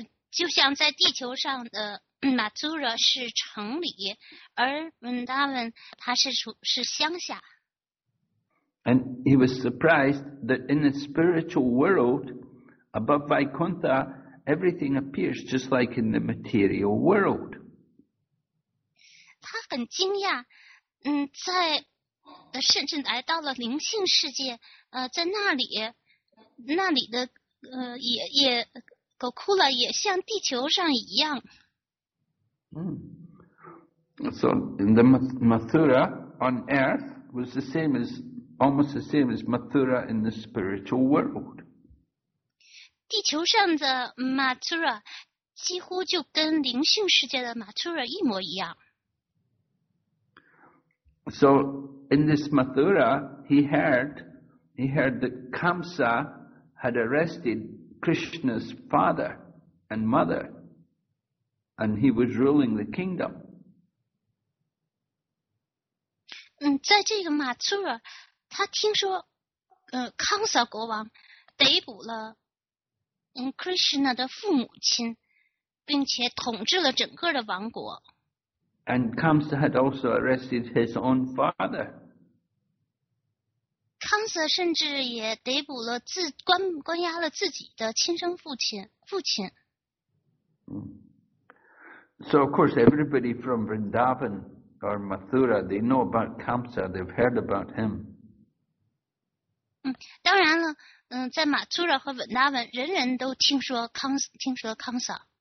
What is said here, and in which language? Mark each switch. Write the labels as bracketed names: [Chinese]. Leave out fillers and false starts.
[Chinese] 就像在地球上的 Mathura 是城里，而 Vrindavan 它是乡下。 [English] And he was surprised that in the spiritual world, above Vaikuntha, everything appears just like in the material world. [Chinese] 他很惊讶，在甚至来到了灵性世界，在那里的也。 Gokula 也像地球上一样。 [English] So the Mathura on Earth was the same as almost the same as Mathura in the spiritual world. [Chinese] 地球上的 Mathura 几乎就跟灵性世界的 Mathura 一模一样。 [English] So in this Mathura, he heard that Kamsa had arrested Krishna's father and mother, and he was ruling the kingdom. [Chinese] 在这个马苏尔，他听说，康萨国王逮捕了，Krishna 的父母亲，并且统治了整个的王国。 [English] And Kamsa had also arrested his own father. [Chinese] 康瑟甚至也逮捕了关押了自己的亲生父亲。 [English] So of course everybody from Vrindavan or Mathura, they know about Kamsa, they've heard about him. [Chinese] 当然了，在 Mathura 和 Vrindavan， 人人都听说康瑟。